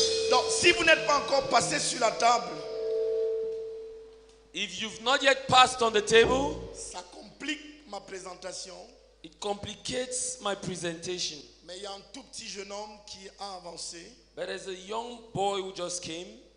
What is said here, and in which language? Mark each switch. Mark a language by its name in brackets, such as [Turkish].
[French] Donc, si vous n'êtes pas encore passé sur la table, [English] if you've not yet passed on the table, [French] ça complique ma présentation. [English] It complicates my presentation. [French] Mais il y a un tout petit jeune homme qui a avancé. [English] But there's a young boy who just came.